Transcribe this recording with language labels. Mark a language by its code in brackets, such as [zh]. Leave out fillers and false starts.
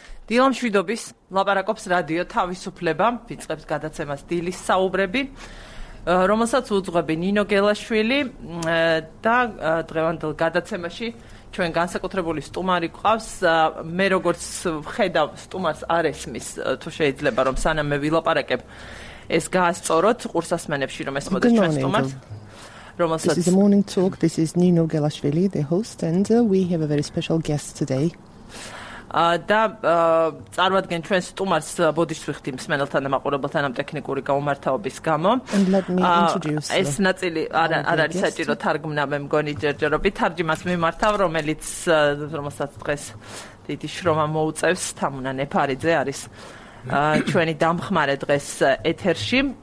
[ka] დილა მშვიდობის ლაპარაკობს რადიო თავისუფლება, ვიწყებს გადაცემას დილის საუბრები, რომელსაც უძღვები ნინო გელაშვილი და დღევანდელ გადაცემაში ჩვენ განსაკუთრებული სტუმარი გვყავს. მე როგორც ხედავ სტუმარს არ ესმის, თუ შეიძლება რომ სანამ ვილაპარაკებ ეს გაასწოროთ ყურსასმენებში, რომ ესმოდეს ჩვენ სტუმარს. [en] This is a morning talk. This is Nino Gelashvili, the host, and we have a very special guest today. [ka] Da წარმოადგენ ჩვენ სტუმარს ბოდიშს ვიხდი მსმენელთან და მაყურებელთან ამ ტექნიკური გაუმართაობის გამო. [en] And let me introduce. [ka] ეს ნაწილი არ არის საჭირო თარგმნა, მე მგონი ჯერჯერობით თარჯიმას მიმართავ, რომელსაც დღეს დიდი შრომა მოუწევს თამუნა ნეფარიძე, არის ჩვენი დამხმარე დღეს ეთერში.